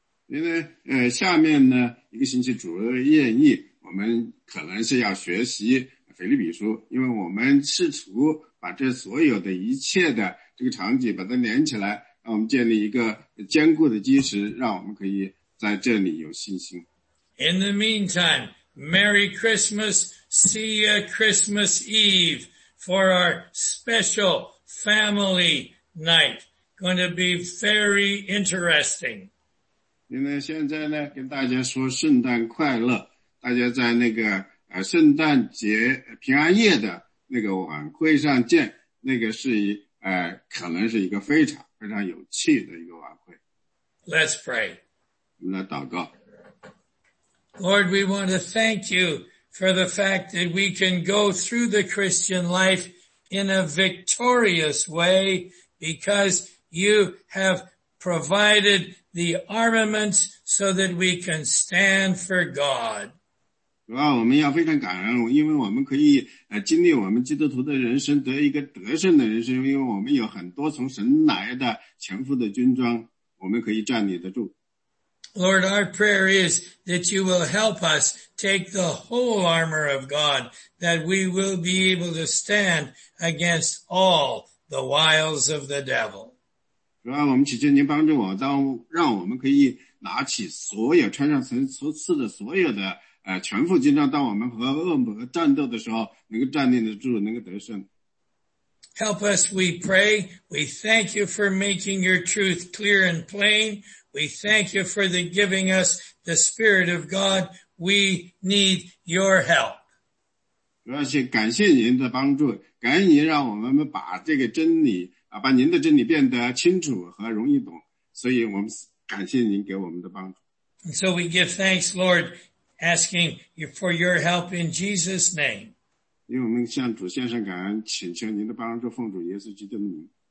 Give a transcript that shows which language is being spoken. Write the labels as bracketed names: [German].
[Chinese] 因为下面呢一个星期主日宴议，我们可能是要学习腓立比书，因为我们试图把这所有的一切的这个场景把它连起来，让我们建立一个坚固的基石，让我们可以在这里有信心。 [English] In the meantime, Merry Christmas, see you Christmas Eve for our special family night. Going to be very interesting. [Chinese] 因为现在呢，跟大家说圣诞快乐，大家在那个圣诞节平安夜的那个晚会上见，那个是一可能是一个非常非常有趣的一个晚会。 [English] Let's pray. [Chinese] 我们来祷告。 [English] Lord, we want to thank you for the fact that we can go through the Christian life in a victorious way because you have provided the armaments so that we can stand for God. [Chinese] 主要我们要非常感恩，因为我们可以经历我们基督徒的人生，得一个得胜的人生，因为我们有很多从神来的全副的军装，我们可以站立得住。 [English] Lord, our prayer is that you will help us take the whole armor of God, that we will be able to stand against all the wiles of the devil. [Chinese] 主啊，我们祈求您帮助我，让我们可以拿起所有穿上神所赐的所有的全副军装，当我们和恶魔战斗的时候，能够站立得住，能够得胜。 [English] Help us, we pray. We thank you for making your truth clear and plain. We thank you for the giving us the Spirit of God. We need your help. [Chinese] 主要是感谢您的帮助，感谢您让我们把这个真理啊，把您的真理变得清楚和容易懂。所以我们感谢您给我们的帮助。 [English] And so we give thanks, Lord, asking you for your help in Jesus' name. [Chinese] 因为我们向主献上感恩，请求您的帮助，奉主耶稣基督的名。